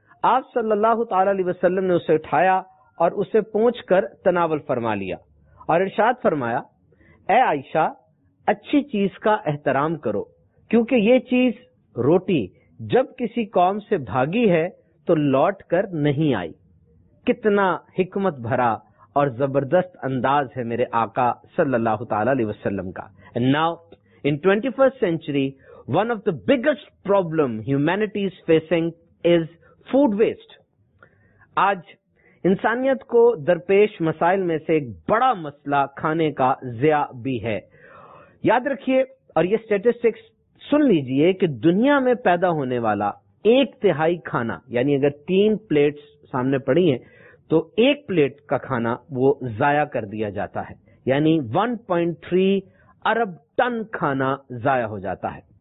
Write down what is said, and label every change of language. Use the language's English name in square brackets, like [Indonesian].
[Urdu] آپ صلی اللہ تعالی علیہ وسلم نے اسے اٹھایا اور اسے پونچھ کر تناول فرما لیا، اور ارشاد فرمایا، اے عائشہ، اچھی چیز کا احترام کرو، کیونکہ یہ چیز روٹی جب کسی قوم سے بھاگی ہے تو لوٹ کر نہیں آئی. کتنا حکمت بھرا اور زبردست انداز ہے میرے آقا صلی اللہ تعالی علیہ وسلم کا. [English] And now in 21st century one of the biggest problem humanity is facing is food waste. [Urdu] آج انسانیت کو درپیش مسائل میں سے ایک بڑا مسئلہ کھانے کا ضیاع بھی ہے. یاد رکھیے، اور یہ سٹیٹسٹکس سن لیجئے، کہ دنیا میں پیدا ہونے والا ایک تہائی کھانا، یعنی اگر 3 پلیٹس سامنے پڑی ہیں تو 1 پلیٹ کا کھانا وہ ضائع کر دیا جاتا ہے، یعنی 1.3 ارب ٹن کھانا ضائع ہو جاتا ہے.